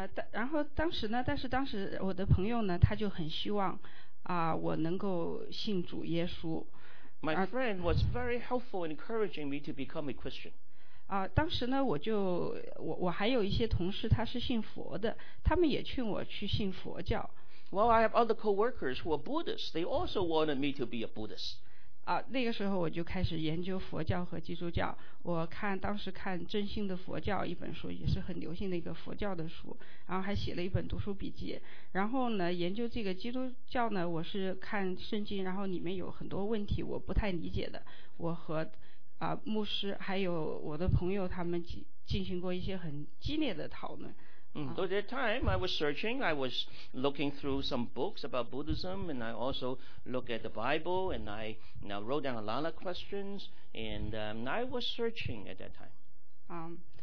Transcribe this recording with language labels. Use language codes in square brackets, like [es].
[zh] 然后当时呢，但是当时我的朋友呢，他就很希望我能够信主耶稣。 [en] My friend was very helpful in encouraging me to become a Christian. [zh] 当时呢，我还有一些同事，他是信佛的，他们也劝我去信佛教。 [en] Well, I have other co-workers who are Buddhists. They also wanted me to be a Buddhist. [zh] 啊，那个时候我就开始研究佛教和基督教。我看当时看《真心的佛教》一本书，也是很流行的一个佛教的书，然后还写了一本读书笔记。然后呢，研究这个基督教呢，我是看圣经，然后里面有很多问题我不太理解的。我和牧师还有我的朋友他们进行过一些很激烈的讨论。 [en] So at that time, I was searching. I was looking through some books about Buddhism, and I also looked at the Bible, and I now wrote down a lot of questions, and I was searching at that time.